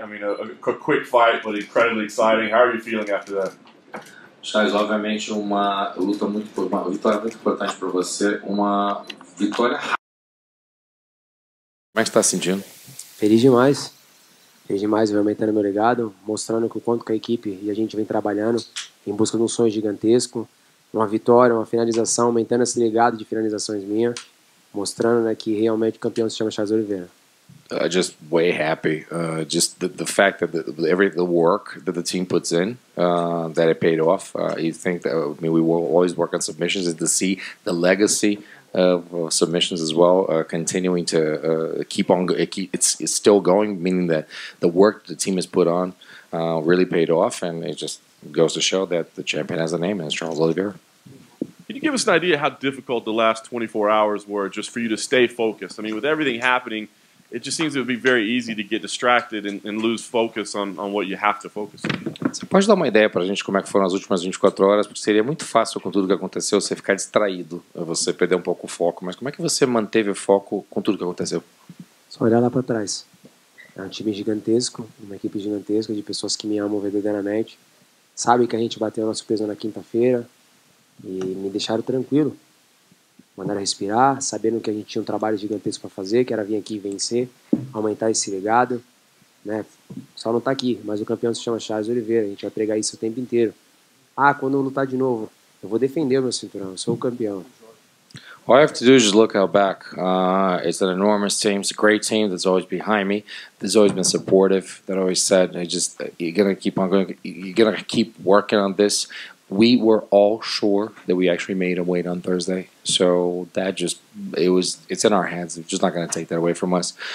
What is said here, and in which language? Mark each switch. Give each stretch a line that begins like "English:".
English: I mean, a quick fight, but incredibly exciting. How are you feeling after that?
Portuguese: Charles, obviamente uma luta muito, uma vitória muito importante para você, uma vitória. Como está se sentindo? Feliz demais, aumentando meu legado, mostrando o quanto que a equipe e a gente vem trabalhando em busca de um sonho gigantesco, uma vitória, uma finalização, aumentando esse legado de finalizações minha, mostrando, né, que realmente o campeão se chama Charles Oliveira.
English: Just way happy. Just the fact that the work that the team puts in, that it paid off. You think that, I mean, we will always work on submissions, and to see the legacy of submissions as well, continuing to keep on, it's still going, meaning that the work the team has put on really paid off, and it just goes to show that the champion has a name, and it's Charles Oliveira. Can you give us an idea how difficult the last 24 hours were just for you to stay focused? I mean, with everything happening, it just seems it would be very easy to get distracted and lose focus on what you have to focus on.
Portuguese: Você pode dar uma ideia para a gente como é que foram as últimas 24 horas? Porque seria muito fácil com tudo que aconteceu você ficar distraído, você perder um pouco o foco. Mas como é que você manteve o foco com tudo que aconteceu? Só olhar lá para trás. É um time gigantesco, uma equipe gigantesca de pessoas que me amam verdadeiramente. Sabe que a gente bateu nosso peso na quinta-feira e me deixaram tranquilo. Mandaram respirar, sabendo que a gente tinha um trabalho gigantesco para fazer, que era vir aqui vencer, aumentar esse legado. Né? Só não tá aqui, mas o campeão se chama Charles Oliveira, a gente vai pregar isso o tempo inteiro. Ah, quando eu lutar de novo, eu vou defender o meu cinturão, eu sou o campeão.
English: All I have to do is just look out back. It's an enormous team, it's a great team that's always behind me, that's always been supportive, that always said, you're gonna keep working on this. We were all sure that we actually made a weight on Thursday. So that just, it's in our hands. It's just not going to take that away from us.